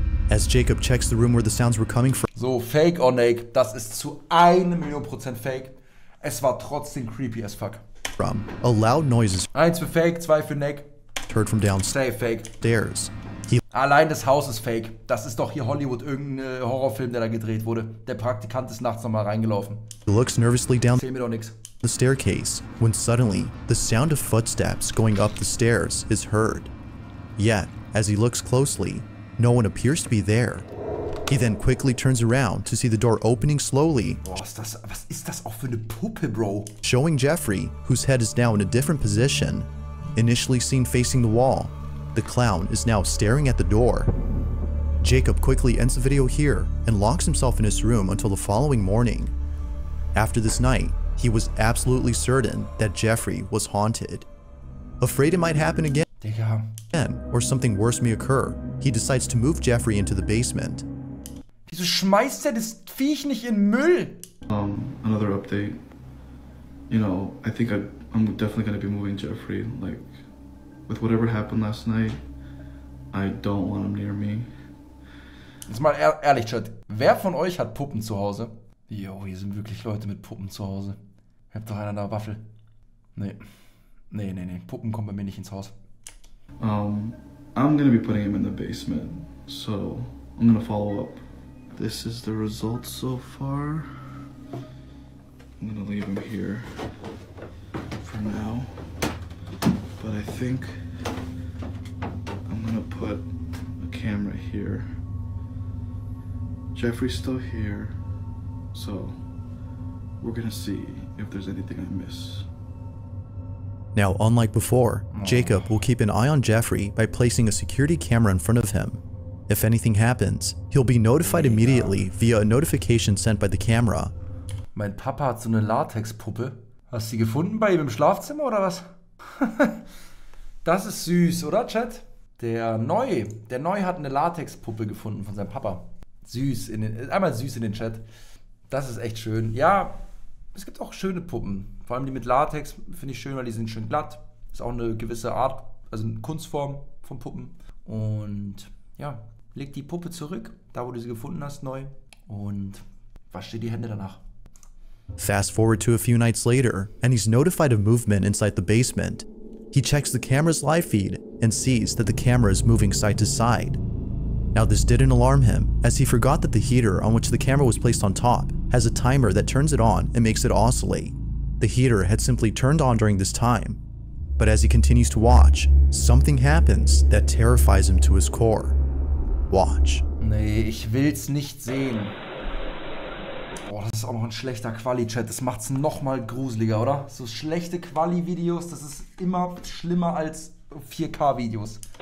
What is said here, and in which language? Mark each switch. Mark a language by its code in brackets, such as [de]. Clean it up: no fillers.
[en] As Jacob checks the room where the sounds were coming from. [de] So, [en] fake or fake, [de] das ist zu 1 Million% fake. Es war trotzdem [en] creepy as fuck. From a loud noises. [de] Eins für fake, zwei für fake. [en] Heard from downstairs. Stay fake. Stairs. [de] He- Allein das Haus ist fake. Das ist doch hier Hollywood, irgendein Horrorfilm, der da gedreht wurde. Der Praktikant ist nachts nochmal reingelaufen. [en] He looks nervously down. [de] Erzähl mir doch nichts. [en] The staircase, when suddenly the sound of footsteps going up the stairs is heard. Yet, as he looks closely, no one appears to be there. He then quickly turns around to see the door opening slowly. [de] Boah, was ist das auch für eine Puppe, Bro? [en] Showing Jeffrey, whose head is now in a different position. Initially seen facing the wall, the clown is now staring at the door. Jacob quickly ends the video here and locks himself in his room until the following morning. After this night, he was absolutely certain that Jeffrey was haunted. Afraid it might happen again, or something worse may occur, he decides to move Jeffrey into the basement. [de] Wieso schmeißt er das Viech nicht in Müll? [en] Another update. You know, I think I'm definitely gonna be moving Jeffrey. Like, with whatever happened last night, I don't want him near me. [de] Jetzt mal ehrlich, Chat. Wer von euch hat Puppen zu Hause? Yo, hier sind wirklich Leute mit Puppen zu Hause. Habt doch einer eine Waffel. Nee. Puppen kommen bei mir nicht ins Haus. [en] I'm gonna be putting him in the basement. So, I'm gonna follow up. This is the result so far. I'm gonna leave him here for now. But I think I'm gonna put a camera here. Jeffrey's still here. So, we're gonna see if there's anything I miss. Now, unlike before, Jacob will keep an eye on Jeffrey by placing a security camera in front of him. If anything happens, he'll be notified immediately via a notification sent by the camera. [de] Mein Papa hat so eine Latexpuppe. Hast du sie gefunden bei ihm im Schlafzimmer oder was? Das ist süß, oder Chat? Der Neue hat eine Latexpuppe gefunden von seinem Papa. Süß, einmal süß in den Chat. Das ist echt schön. Ja, es gibt auch schöne Puppen. Vor allem die mit Latex finde ich schön, weil die sind schön glatt. Ist auch eine gewisse Art, also eine Kunstform von Puppen. Und ja, leg die Puppe zurück, da wo du sie gefunden hast, neu. Und wasch dir die Hände danach. [en] Fast forward to a few nights later, and he's notified of movement inside the basement. He checks the camera's live feed and sees that the camera is moving side to side. Now this didn't alarm him, as he forgot that the heater on which the camera was placed on top has a timer that turns it on and makes it oscillate. The heater had simply turned on during this time. But as he continues to watch, something happens that terrifies him to his core. Watch. [de] Nee, ich will's nicht sehen. Boah, das ist auch noch ein schlechter Quali-Chat. Das macht's noch mal gruseliger, oder? So schlechte Quali-Videos, das ist immer schlimmer als 4K-Videos.